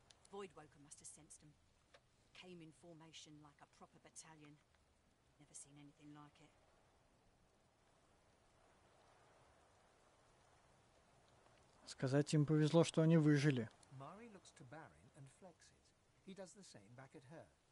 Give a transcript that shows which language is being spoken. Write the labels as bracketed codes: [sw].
[en] Voidwoker must have sensed them. Came in formation like a proper battalion. Never seen anything like it. [ru] Сказать, им повезло, что они выжили. [en] Mari looks to Baron and flexes. He does the same back at her.